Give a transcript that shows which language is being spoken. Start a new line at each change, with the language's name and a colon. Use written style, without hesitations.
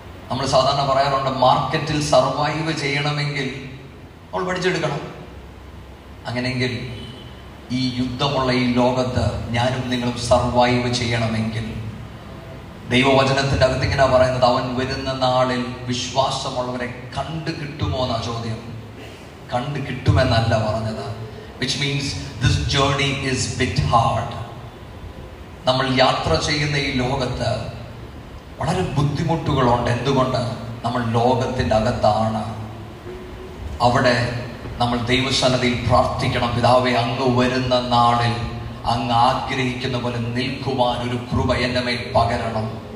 Malayalam: നമ്മൾ സാധാരണ പറയാറുണ്ട്, മാർക്കറ്റിൽ സർവൈവ് ചെയ്യണമെങ്കിൽ നമ്മൾ പഠിച്ചെടുക്കണം. അങ്ങനെയെങ്കിൽ ഈ യുദ്ധമുള്ള ഈ ലോകത്ത് ഞാനും നിങ്ങളും സർവൈവ് ചെയ്യണമെങ്കിൽ ദൈവവചനത്തിന്റെ അകത്ത് ഇങ്ങനെ പറയുന്നത്, അവൻ വരുന്ന നാളിൽ വിശ്വാസമുള്ളവരെ കണ്ടു കിട്ടുമോ എന്നാ ചോദ്യം. കണ്ടു കിട്ടുമെന്നല്ല പറഞ്ഞത്,
English: which means this journey is bit hard.
Malayalam: നമ്മൾ യാത്ര ചെയ്യുന്ന ഈ ലോകത്ത് വളരെ ബുദ്ധിമുട്ടുകളുണ്ട്. എന്തുകൊണ്ട്? നമ്മൾ ലോകത്തിൻ്റെ അകത്താണ്. അവിടെ നമ്മൾ ദൈവസന്നിധിയിൽ പ്രാർത്ഥിക്കണം, പിതാവേ അങ്ങ് വരുന്ന നാളിൽ അങ്ങ് ആഗ്രഹിക്കുന്ന പോലെ നിൽക്കുവാൻ ഒരു കൃപ എൻ്റെ മേൽ പകരണം.